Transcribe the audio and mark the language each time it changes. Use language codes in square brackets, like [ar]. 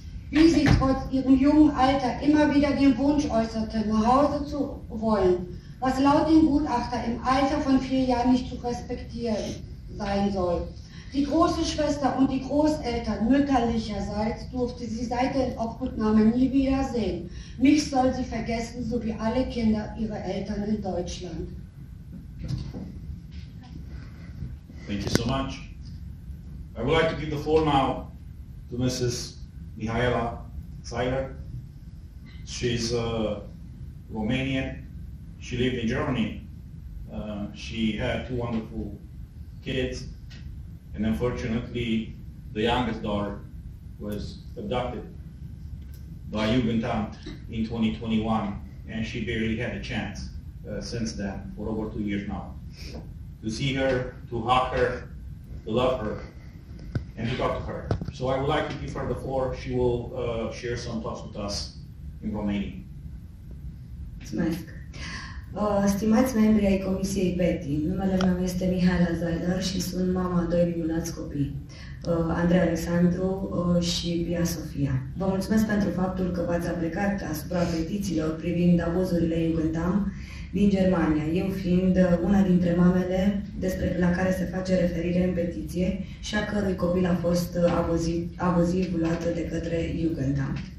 [de] Wie sie trotz ihrem jungen Alter immer wieder den Wunsch äußerte, nach Hause zu wollen, was laut dem Gutachter im Alter von 4 Jahren nicht zu respektieren sein soll. Die große Schwester und die Großeltern mütterlicherseits durfte sie seit der Inobhutnahme nie wieder sehen. Mich soll sie vergessen, so wie alle Kinder ihre Eltern in Deutschland. [en] Thank you so much. I would like to give the floor now to Mrs. Mihaela Seiler. She's a Romanian. She lived in Germany. She had 2 wonderful kids, and unfortunately, the youngest daughter was abducted by Jugendamt in 2021, and she barely had a chance since then, for over 2 years now, to see her, to hug her, to love her, and to talk to her. So I would like to give her the floor. She will share some thoughts with us in Romanian. [ro] Stimați membri ai Comisiei BETI, numele meu este Mihaela Zaidar și sunt mama a 2 minunați copii, Andrei Alexandru și Pia Sofia. Vă mulțumesc pentru faptul că v-ați aplicat asupra petițiilor privind abuzurile Jugendamt din Germania, eu fiind una dintre mamele despre la care se face referire în petiție și a cărui copil a fost abuziv luată de către Jugendamt.